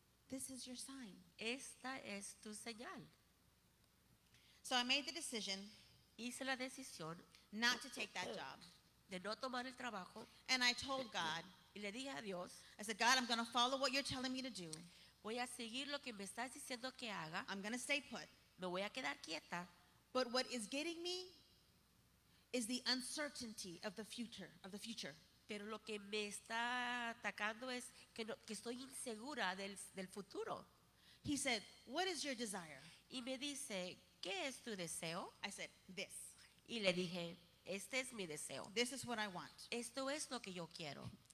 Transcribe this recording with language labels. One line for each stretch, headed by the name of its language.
English: This is your sign.
Spanish: Esta es tu señal.
English: So I made the decision.
Spanish: Hice la decisión.
English: Not to take that job.
Spanish: De no tomar el trabajo.
English: And I told God.
Spanish: Y le dije a Dios.
English: I said, God, I'm going to follow what you're telling me to do.
Spanish: Voy a seguir lo que me estás diciendo que haga.
English: I'm going to stay put.
Spanish: Me voy a quedar quieta.
English: But what is getting me is the uncertainty of the future.
Spanish: Pero lo que me está atacando es que, no, que estoy insegura del futuro.
English: He said, what is your desire?
Spanish: Y me dice, ¿qué es tu deseo?
English: I said, this.
Spanish: Y le dije, este es mi deseo.
English: This is what I want.
Spanish: Esto es lo que yo quiero.